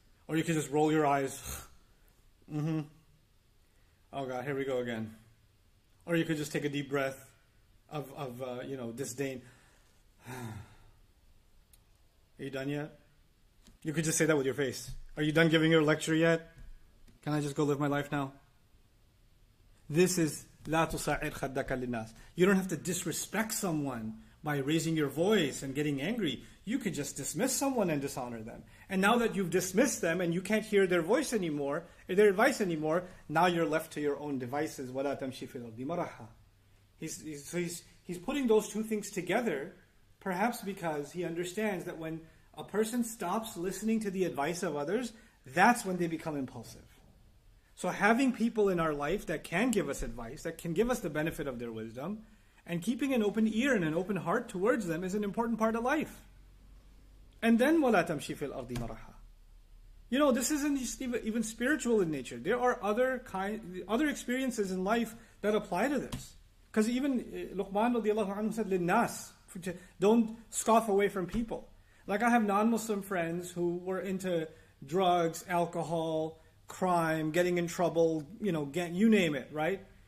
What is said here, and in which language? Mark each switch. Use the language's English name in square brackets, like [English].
[English] Or you can just roll your eyes. Mm-hmm. Oh God, here we go again. Or you could just take a deep breath of disdain. Are you done yet? You could just say that with your face. Are you done giving your lecture yet? Can I just go live my life now? This is [Arabic] لَا تُسَعِرْ خَدَّكَ لِلنَّاسِ. [English] You don't have to disrespect someone by raising your voice and getting angry. You could just dismiss someone and dishonor them. And now that you've dismissed them and you can't hear their voice anymore, their advice anymore, now you're left to your own devices. [Arabic] وَلَا تَمْشِي فِي الْأَرْضِ مَرَحًا. [English] He's putting those two things together, perhaps because he understands that when a person stops listening to the advice of others, that's when they become impulsive. So having people in our life that can give us advice, that can give us the benefit of their wisdom, And keeping an open ear and an open heart towards them is an important part of life. And then, [Arabic] وَلَا تَمْشِي فِي الْأَرْضِ مَرَحًا. [English] You know, this isn't just even spiritual in nature. There are other experiences in life that apply to this. Because even Luqman radiallahu anhu said, لِلنَّاس, don't scoff away from people. Like, I have non-Muslim friends who were into drugs, alcohol, crime, getting in trouble, you know, you name it, right?